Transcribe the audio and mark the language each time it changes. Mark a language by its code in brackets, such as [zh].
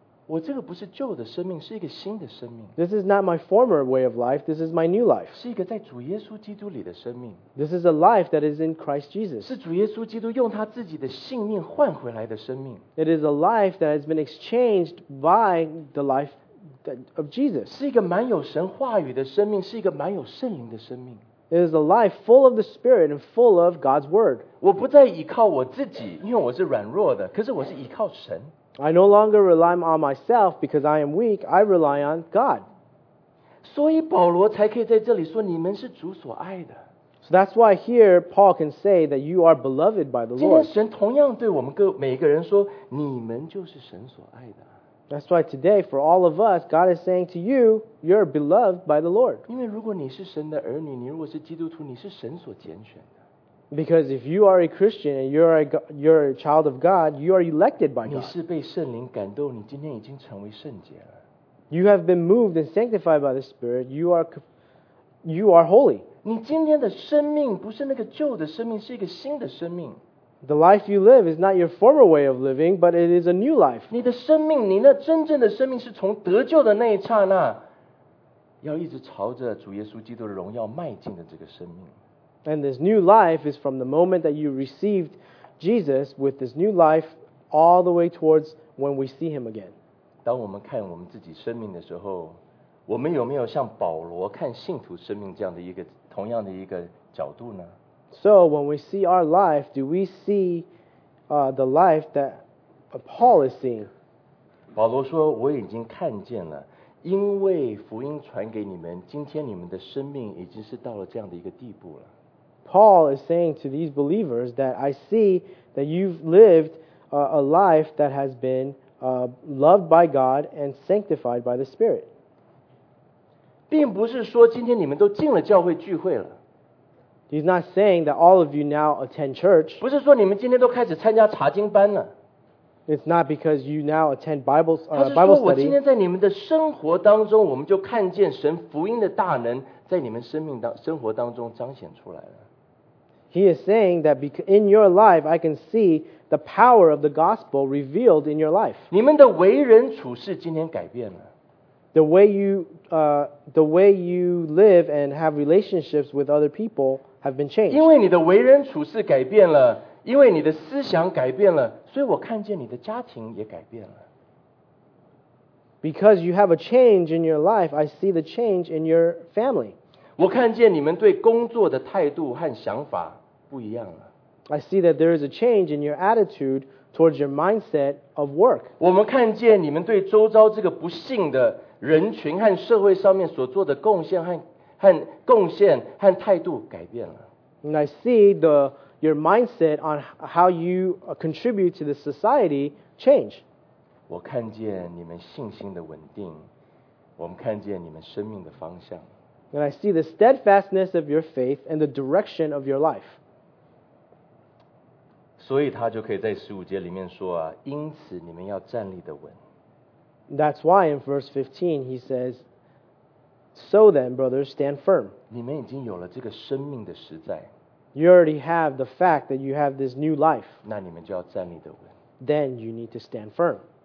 [zh] 我这个不是旧的生命，是一个新的生命。 [en] This is not my former way of life, this is my new life. [zh] 是一个在主耶稣基督里的生命。 [en] This is a life that is in Christ Jesus. [zh] 是主耶稣基督用他自己的性命换回来的生命。 [en] It is a life that has been exchanged by the life of Jesus. [zh] 是一个满有神话语的生命，是一个满有圣灵的生命。 [en] It is a life full of the Spirit and full of God's Word. [zh] 我不再依靠我自己，因为我是软弱的，可是我是依靠神。 [en] I no longer rely on myself because I am weak, I rely on God. [zh] 所以保罗才可以在这里说，你们是主所爱的。 [en] So that's why here Paul can say that you are beloved by the Lord. [zh] 今天神同样对我们每个人说，你们就是神所爱的。 [en] That's why today, for all of us, God is saying to you, you're beloved by the Lord. [zh] 因为如果你是神的儿女，你如果是基督徒，你是神所拣选的。 [en] Because if you are a Christian and you're a child of God, you are elected by God. [zh] 你是被圣灵感动，你今天已经成为圣洁了。 [en] You have been moved and sanctified by the Spirit. You are holy. [zh] 你今天的生命不是那个旧的生命，是一个新的生命。 [en] The life you live is not your former way of living, but it is a new life. [zh] 你的生命，你那真正的生命是从得救的那一刹那，要一直朝着主耶稣基督的荣耀迈进的这个生命。 [en] And this new life is from the moment that you received Jesus with this new life all the way towards when we see him again. [zh] 当我们看我们自己生命的时候，我们有没有像保罗看信徒生命这样的一个同样的一个角度呢？ [en] So when we see our life, do we see the life that Paul is seeing? [zh] 保罗说，我已经看见了，因为福音传给你们，今天你们的生命已经是到了这样的一个地步了。 [en] Paul is saying to these believers that I see that you've lived a life that has been loved by God and sanctified by the Spirit. [zh] 并不是说今天你们都进了教会聚会了。 [en] He's not saying that all of you now attend church. [zh] 不是说你们今天都开始参加查经班了。 [en] It's not because you now attend Bible study. [zh] 他是说我今天在你们的生活当中，我们就看见神福音的大能在你们生活当中彰显出来了。 [en] He is saying that in your life, I can see the power of the gospel revealed in your life. [zh] 你们的为人处事今天改变了。 [en] The way you live and have relationships with other people have been changed. [zh] 因为你的为人处事改变了，因为你的思想改变了，所以我看见你的家庭也改变了。 [en] Because you have a change in your life, I see the change in your family. [zh] 我看见你们对工作的态度和想法不一样了。 [en] I see that there is a change in your attitude towards your mindset of work. [zh] 我们看见你们对周遭这个不幸的人群和社会上面所做的贡献和态度改变了。 [en] And I see your mindset on how you contribute to the society change. [zh] 我看见你们信心的稳定，我们看见你们生命的方向。 [en] And I see the steadfastness of your faith and the direction of your life. [zh] 所以他就可以在十五节里面说啊，因此你们要站立的稳。 [en] That's why in verse 15 he says, So then, brothers, stand firm. [zh] 你们已经有了这个生命的实在。 [en] You already have the fact that you have this new life. [zh] 那你们就要站立得稳。 [en] Then you need to stand firm.